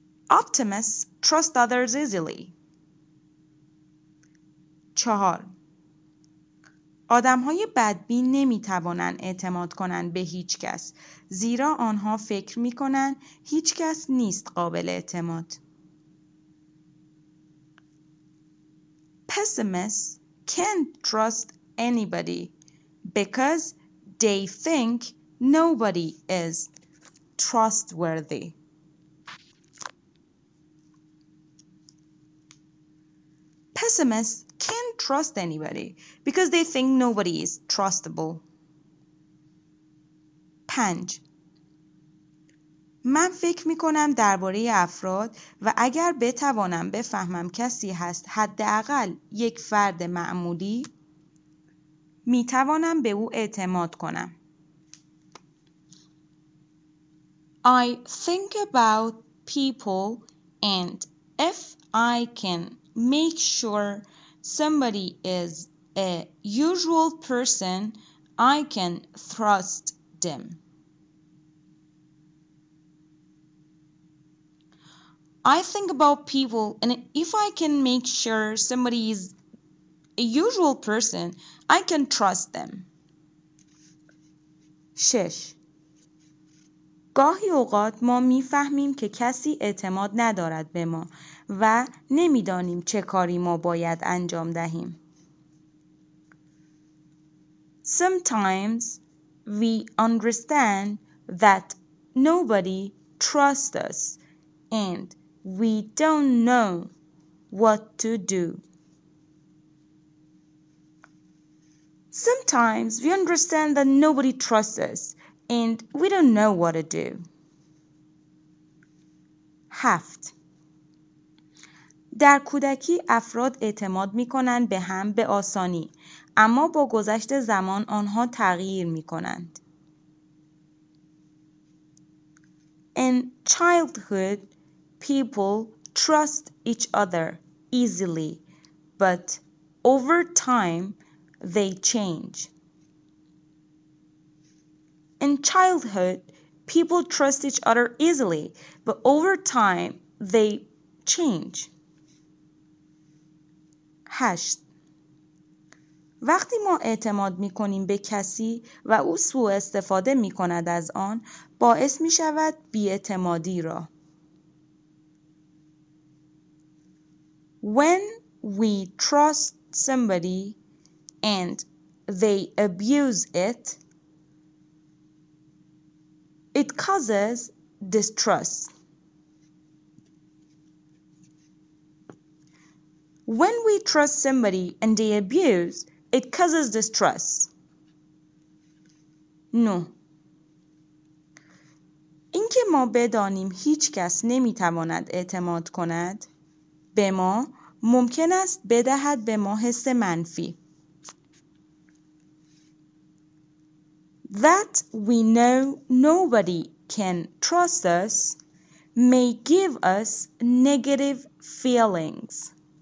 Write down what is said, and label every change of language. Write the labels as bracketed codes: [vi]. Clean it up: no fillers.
[en] Optimists trust others easily. 4. [fa] آدم‌های بدبین نمی‌توانند اعتماد کنند به هیچ کس، زیرا آنها فکر می‌کنند هیچ کس نیست قابل اعتماد. [en] Pessimists can't trust anybody because they think nobody is trustworthy. Pessimists can't trust anybody because they think nobody is trustable. 5. [fa] من فکر می‌کنم درباره افراد و اگر بتوانم بفهمم کسی هست حداقل یک فرد معمولی، می‌توانم به او اعتماد کنم. [en] I think about people and if I can make sure somebody is a usual person, I can trust them. I think about people, and if I can make sure somebody is a usual person, I can trust them. 6. [fa] گاهی اوقات ما میفهمیم که کسی اعتماد ندارد به ما و نمیدانیم چه کاری ما باید انجام دهیم. [en] Sometimes we understand that nobody trusts us and we don't know what to do. Sometimes we understand that nobody trusts us and we don't know what to do. 7. [fa] در کودکی افراد اعتماد می‌کنند به هم به آسانی، اما با گذشت زمان آنها تغییر می‌کنند. [en] In childhood, people trust each other easily, but over time they change. In childhood, people trust each other easily, but over time they change. [fa] هشت. وقتی ما اعتماد می‌کنیم به کسی و او سوء استفاده می‌کند از آن، باعث می‌شود بی‌اعتمادی را. [en] When we trust somebody and they abuse it, it causes distrust. When we trust somebody and they abuse, it causes distrust. No. [fa] اینکه ما بدانیم هیچ کس نمیتواند اعتماد کند به ما ممکن است بدهد به ما حس منفی. [en] That we know nobody can trust us may give us negative feelings.